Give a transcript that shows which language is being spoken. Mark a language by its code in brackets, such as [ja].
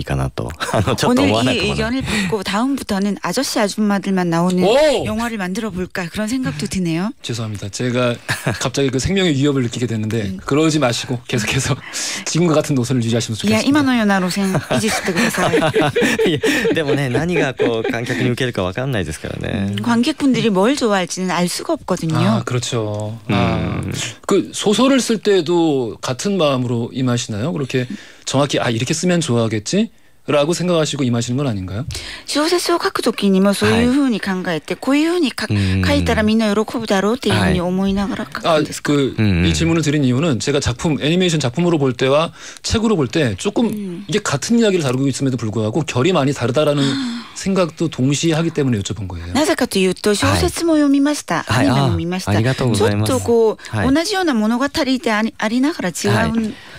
[ja] 僕もですから、ホーさんの意見を受けて、次はおじさんおばさんばかりが出てくる映画をトライしてみてもいいかなと。ちょっと思わないかもね。 [ko] 오늘 이 아저씨 아줌마들만 나오는 영화를 만들어 볼까 그런 생각도 드네요. 죄송합니다. 제가 갑자기 그 생명의 위협을 느끼게 됐는데 그러지 마시고 계속해서 지금과 같은 노선을 유지하시면 좋겠습니다. 야, 이만어요 나로생 유지시켜 주세요. 근데 뭐 [ja] 何が観客に受けるかわかんないですからね。 [ko] 관객분들이 뭘 좋아할지는 알 수가 없거든요. 그렇죠. 그 소설을 쓸 때도 같은 마음으로 임하시나요? 그렇게 정확히 이렇게 쓰면 좋아하겠지? 라고 생각하시고 임하시는 건 아닌가요? [ja] 小説を書くときにもそういうふうに考えて、こういうふうに書いたらみんな喜ぶだろうっていうふうに思いながら書くんですか?いい [ko] 질문을 드린 이유는 제가 작품 애니메이션 작품으로 볼 때와 책으로 볼 때 조금 이게 같은 이야기를 다루고 있음에도 불구하고 결이 많이 다르다라는 생각도 동시에 하기 때문에 여쭤본 거예요. [ja] なぜかというと小説も読みました。アニメも見ました。ありがとうございます。ちょっとこう同じような物語でありながら違う。